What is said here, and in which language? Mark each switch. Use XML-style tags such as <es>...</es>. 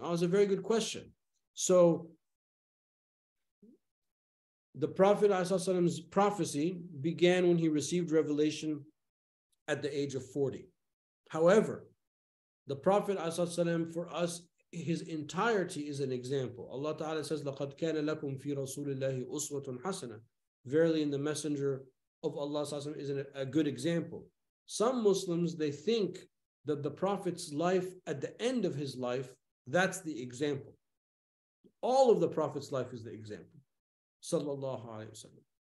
<en>Oh, it's a very good question. So the Prophet ﷺ's prophecy began when he received revelation at the age of 40. However, the Prophet ﷺ for us, his entirety is an example. Allah Ta'ala says,</en> <ar>لَقَدْ كَانَ لَكُمْ فِي رَسُولِ اللَّهِ أُسْوَةٌ حَسَنَةٌ.</ar> <en>Verily, in the messenger of Allah ﷺ is a good example. Some Muslims, they think that the Prophet's life at the end of his life, that's the example. All of the Prophet's life is the example. Sallallahu alayhi wa sallam.</en>